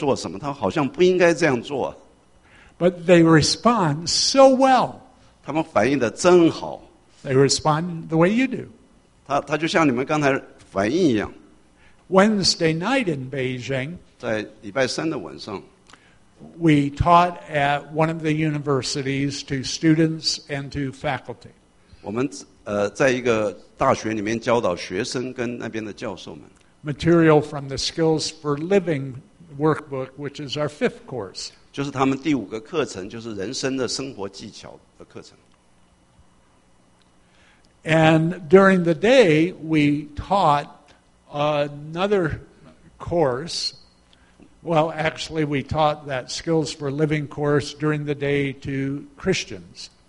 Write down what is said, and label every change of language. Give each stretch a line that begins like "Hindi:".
Chinese: 我一直在思想说，他们知道他们在做什么，他们好像不应该这样做。
English: But they respond so well.
Chinese: 他们反应得真好。
English: They respond the way you do.
Chinese: 他就像你们刚才反应一样。
English: Wednesday night in Beijing,
Chinese: 在礼拜三的晚上,
English: we taught at one of the universities to students and to faculty.
Chinese: 我们在一个大学里面教导学生跟那边的教授们。
English: Material from the Skills for Living workbook, which is our fifth course.
Chinese: 就是他们第五个课程，就是人生的生活技巧的课程。
English: And during the day, we taught another course. Well, actually, we taught that Skills for Living course during the day to Christians.